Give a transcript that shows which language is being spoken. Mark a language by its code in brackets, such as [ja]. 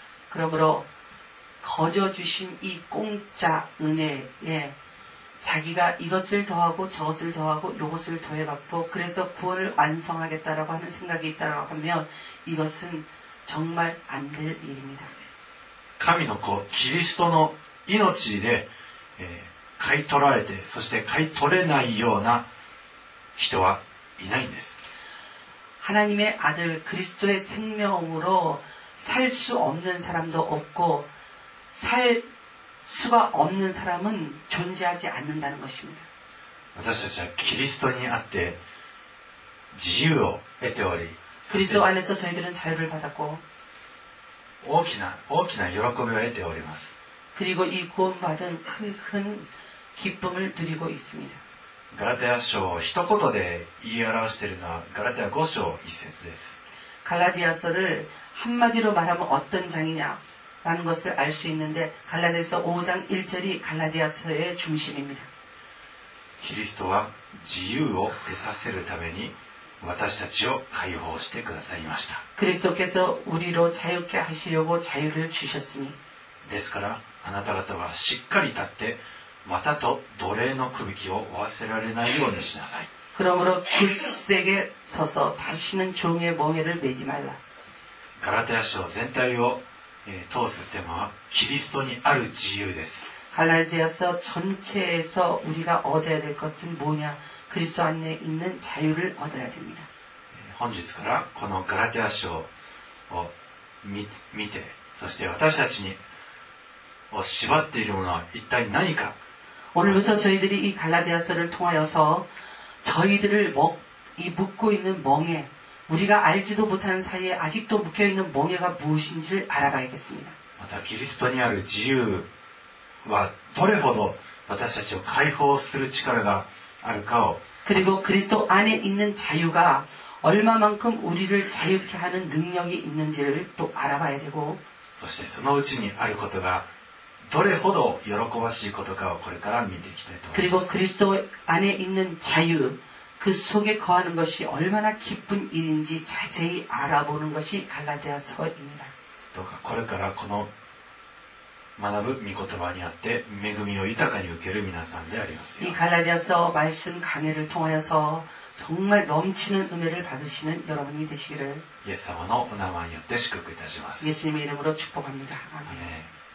[ko] 그러므로거저주신이공짜은혜에자기가이것을더하고저것을더하고요것을더해갖고그래서구원을완성하겠다라고하는생각이있다라고하면이것은정말안될일입니다 [ja] 神の子キリストの命で買い取られてそして買い取れないような人はいないんです。 [ko] 하나님의아들그리스도의생명으로살수없는사람도없고살수가없는사람은존재하지않는다는것입니다。 [ja] 私たちはキリストにあって自由を得ており、 [ko] 그리스도안에서저희들은자유를받았고 [ja] 大きな喜びを得ております。 [ko] 그리고이구원받은큰큰기쁨을누리고있습니다。 [ja] 갈라디아서一言で言い表しているのは갈라디아5章1節です。 [ko] 갈라디아서를한마디로말하면어떤장이냐라는것을알수있는데갈라디아서5장1절이갈라디아서의중심입니다。 [ja] キリストは自由を得させるために私たちを解放してくださいました。 [ko] 그리스도께서우리로자유케하시려고자유를주셨으니 [ja] ですからあなた方はしっかり立ってまたと奴隷の首輝きを負わせられないようにしなさい。 [ko] 그러므로굳세게서서다시는종의멍에를메지말라。 [ja] ガラテヤ書全体を通すテーマはキリストにある自由です。 [ko] ガラテヤ書전체에서우리가얻어야될것은뭐냐？ 그리스도안에있는자유를얻어야됩니다。 [ja] 本日からこのガラテヤ書を見て、そして私たちに縛っているものは一体何か？ [ko] 오늘부터저희들이이갈라디아서를통하여서저희들을묶고있는멍에우리가알지도못하는사이에아직도묶여있는멍에가무엇인지를알아봐야겠습니다 [ja] また、キリストにある自由はどれほど私たちを解放する力があるかを [ko] 그리고그리스도안에있는자유가얼마만큼우리를자유케하는능력이있는지를또알아봐야되고 [ja] そしてそのうちにあることがどれほど喜ばしいことかをこれから見ていきたいと思います。 [ko] 그리고그리스도안에있는자유그속에거하는것이얼마나기쁜일인지자세히알아보는것이갈라디아서입니다 [ja] どうかこれからこの学ぶ御言葉にあって恵みを豊かに受ける皆さんであります [ko] よ이갈라디아서말씀강해를통하여서정말넘치는은혜를받으시는여러분이되시기를 [ja] 예수님의お名前によって祝福いたします。 [ko] 예수님의이름으로축복합니다。 아멘。